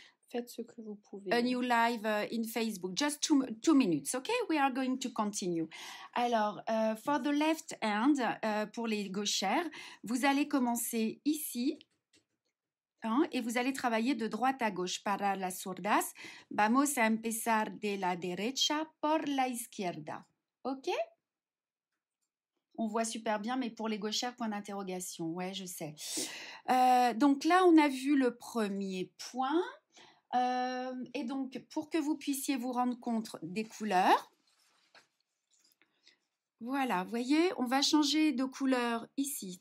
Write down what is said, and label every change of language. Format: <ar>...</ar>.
<fr>faites ce que vous pouvez.</fr> <en>A new live in Facebook, just two minutes, ok? We are going to continue. Alors for the left hand,</en> <fr>pour les gauchères, vous allez commencer ici. Hein, et vous allez travailler de droite à gauche.</fr> <es>Para las sourdas, vamos a empezar de la derecha por la izquierda.</es> <en>Ok?</en> <fr>On voit super bien, mais pour les gauchères, point d'interrogation. Ouais, je sais. Donc là, on a vu le premier point. Et donc, pour que vous puissiez vous rendre compte des couleurs, voilà, vous voyez, on va changer de couleur ici.</fr>